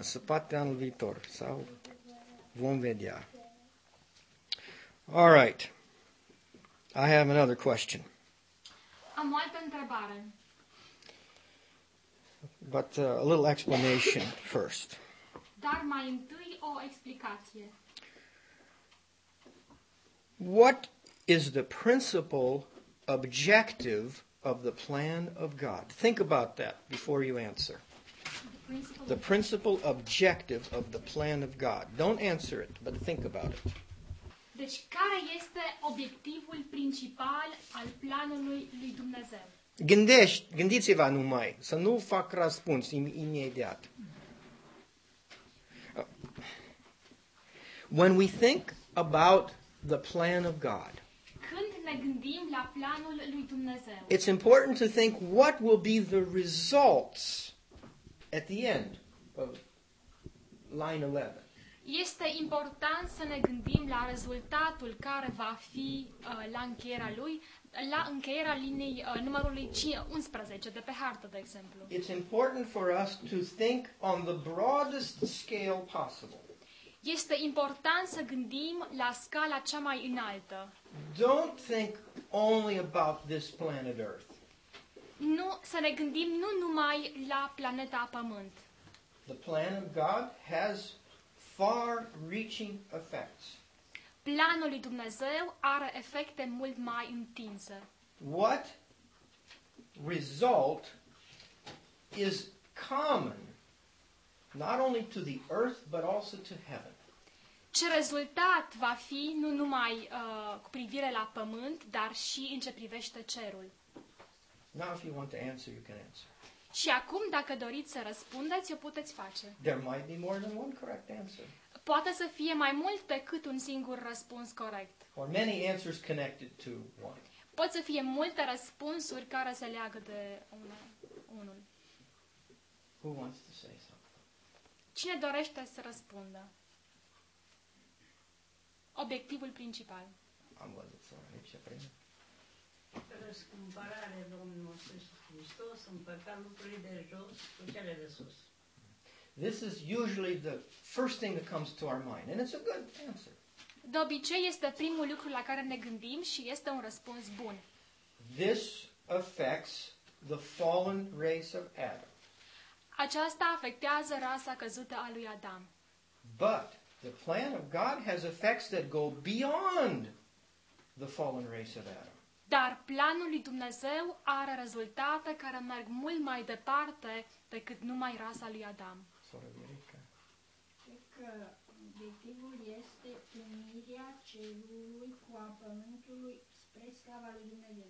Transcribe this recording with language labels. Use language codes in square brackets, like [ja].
[ro] Să poate anul viitor. Sau vom vedea. [en] All right. I have another question. [ro] Am o altă întrebare. [en] But a little explanation first. [ro] Dar mai întâi o explicație. [en] What is the principal objective of the plan of God? Think about that before you answer. The principal objective of the plan of God. Don't answer it, but think about it. [ro] Deci care este obiectivul principal al planului lui Dumnezeu? Gândiți-vă numai, să nu fac răspuns imediat. [en] When we think about the plan of God, [ro] când ne gândim la planul lui Dumnezeu, [en] it's important to think what will be the results at the end of line 11. [ro] Este important să ne gândim la rezultatul care va fi la încheierea lui, la încheierea linii numărului 11 de pe hartă, de exemplu. [en] It's important for us to think on the broadest scale possible. [ro] Este important să gândim la scala cea mai înaltă. [en] Don't think only about this planet Earth. [ro] Nu, să ne gândim nu numai la planeta Pământ. [en] The plan of God has far-reaching effects. [ro] Planul lui Dumnezeu are efecte mult mai întinse. [en] What result is common not only to the earth but also to heaven? [ro] Ce rezultat va fi nu numai cu privire la pământ, dar și în ce privește cerul? [en] Now if you want to answer, you can answer. [ro] Și acum, dacă doriți să răspundeți, o puteți face. [en] There might be more than one correct answer. [ro] poate să fie mai mult decât un singur răspuns corect. [en] Or many answers connected to one. [ro] Pot să fie multe răspunsuri care se leagă de unul. [en] Who wants to say something? [ro] Cine dorește să răspundă? Obiectivul principal. Am văzut să mă aici prima. Răscumpărare, Domnul Hristos, împărta lucrurile de jos cu cele de sus. [en] This is usually the first thing that comes to our mind, and it's a good answer. [ro] De obicei este primul lucru la care ne gândim și este un răspuns bun. [en] This affects the fallen race of Adam. [ro] Aceasta afectează rasa căzută a lui Adam. [en] But the plan of God has effects that go beyond the fallen race of Adam. [ro] Dar planul lui Dumnezeu are rezultate care merg mult mai departe decât numai rasa lui Adam. Sora Erica. Obiectivul este unirea cerului cu a pământului spre slava lui Dumnezeu.